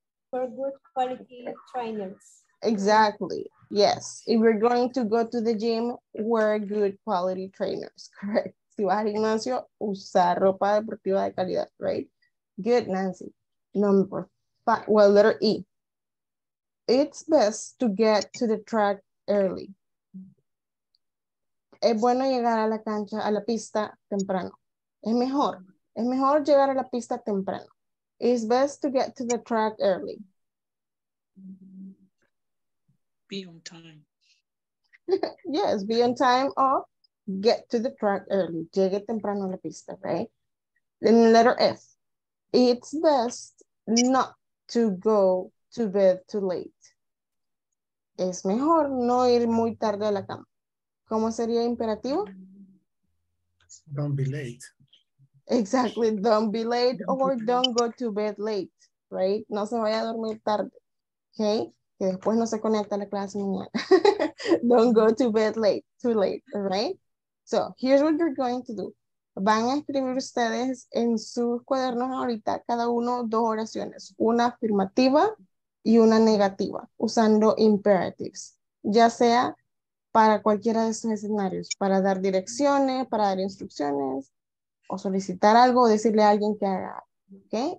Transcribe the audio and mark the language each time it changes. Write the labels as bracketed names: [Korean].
[English] For good quality trainers. Exactly. Yes. If you're going to go to the gym, wear good quality trainers. Correct. [Spanish] Si vas al gimnasio, usar ropa deportiva de calidad. [English] Right? Good, Nancy. Number five. Well, letter E. It's best to get to the track early. [Spanish] Es bueno llegar a la cancha, a la pista temprano. Es mejor llegar a la pista temprano. [English] It's best to get to the track early. Be on time. Yes, be on time or get to the track early. [Spanish] Llegue temprano a la pista, right? [English] And letter F. It's best not to go to bed too late. [Spanish] Es mejor no ir muy tarde a la cama. ¿Cómo sería imperativo? [English] Don't be late. Exactly. Don't be late or don't go to bed late, [Spanish] right? No se vaya a dormir tarde, okay? Que después no se conecta a la clase mañana. [English] Don't go to bed late, too late, all right? So, here's what you're going to do. [Spanish] Van a escribir ustedes en sus cuadernos ahorita cada uno dos oraciones, una afirmativa y una negativa, usando imperatives, ya sea para cualquiera de esos escenarios, para dar direcciones, para dar instrucciones, o solicitar algo, o decirle a alguien que haga, ¿ok?